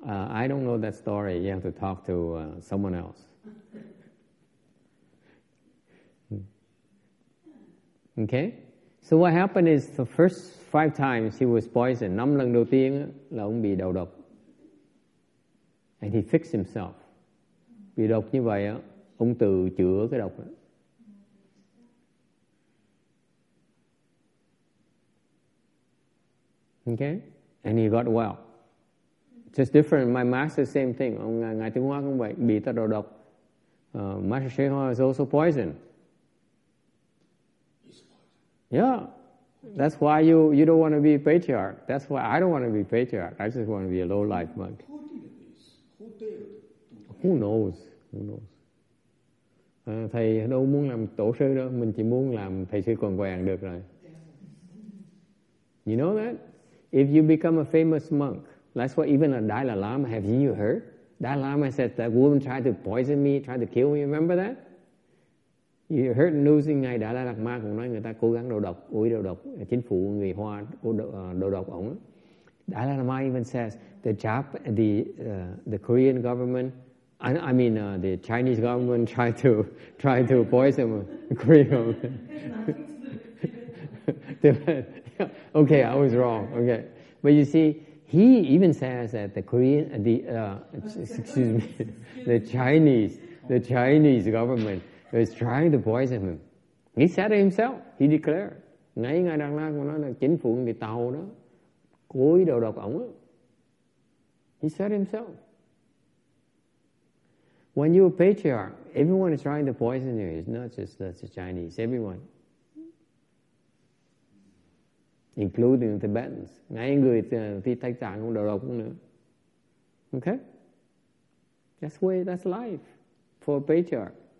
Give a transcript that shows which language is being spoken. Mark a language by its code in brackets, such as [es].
[en] I don't know that story. You have to talk to someone else. Okay? So what happened is the first five times he was poisoned. [vi] Năm lần đầu tiên là ông bị đầu độc. [en] And he fixed himself. [vi] Bị độc như vậy, ông tự chữa cái độc. [en] Okay? And he got well. Just different. My master, same thing. [vi] Ngài Tiếng Hoa cũng vậy. Bị ta đầu độc. [en] Master Shih Hoa is also poison. Yeah. That's why you don't want to be a patriarch. That's why I don't want to be a patriarch. I just want to be a low-life monk. Who knows? Who knows? [vi] Thầy đâu muốn làm tổ sư đâu. Mình chỉ muốn làm thầy sư còn quen được rồi. [en] You know that? If you become a famous monk, that's what even a Dalai Lama, have you heard? Dalai Lama said that woman tried to poison me, tried to kill me, remember that? You heard news in [vi] ngày Dalai Lama cũng nói người ta cố gắng đầu độc, uống đầu độc, chính phủ người Hoa đầu độc ổng. [en] Dalai Lama even says the Korean government, the Chinese government tried to poison the Korean government. Okay, I was wrong. Okay, but you see, he even says that the Chinese government is trying to poison him. He said it himself. He declared. [vi] Ngay ngài Đạt Lạt nói là chính phủ người Tàu đó cố ý đầu độc ổng. [en] He said it himself. When you're a patriarch, everyone is trying to poison you. It's not just the Chinese. Everyone. Including the Tibetans. [vi] Ngay người thì Tây Tạng cũng đầu độc cũng nữa. [en] Okay? That's the way, that's life for a patriarch.